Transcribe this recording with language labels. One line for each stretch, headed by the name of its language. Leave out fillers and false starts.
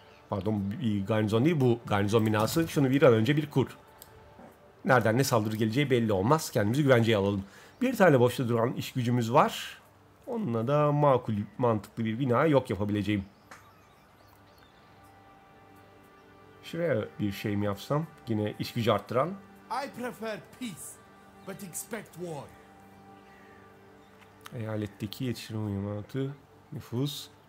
Turkish: Pardon garnizon değil bu garnizon binası. Şunu bir an önce bir kur. Nereden ne saldırı geleceği belli olmaz. Kendimizi güvenceye alalım. Bir tane boşta duran iş gücümüz var. Onunla da makul mantıklı bir bina yok yapabileceğim. Şuraya bir şey mi yapsam? Yine iş gücü arttıran.
English: I prefer peace, but expect war.
Turkish: Eyaletteki yetişme uyumatı, nüfus.